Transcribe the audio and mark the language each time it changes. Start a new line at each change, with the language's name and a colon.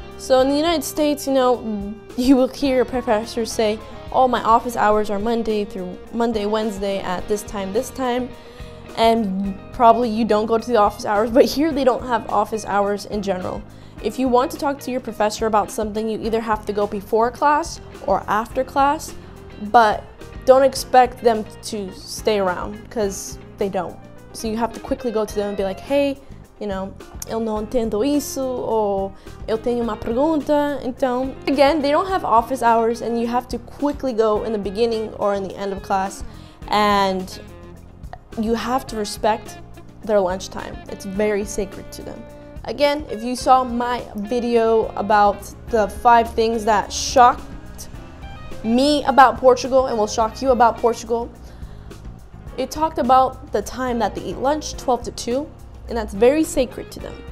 English: So in the United States, you know, you will hear professors say, oh, my office hours are Monday through Monday, Wednesday at this time, and probably you don't go to the office hours, but here they don't have office hours in general. If you want to talk to your professor about something, you either have to go before class or after class, but don't expect them to stay around because they don't. So you have to quickly go to them and be like, hey, you know,
Portuguese: eu não entendo isso,
English: or
Portuguese: eu tenho uma pergunta, então.
English: Again, they don't have office hours and you have to quickly go in the beginning or in the end of class, and you have to respect their lunch time. It's very sacred to them. Again, if you saw my video about the five things that shocked me about Portugal and will shock you about Portugal, it talked about the time that they eat lunch, 12 to 2, and that's very sacred to them.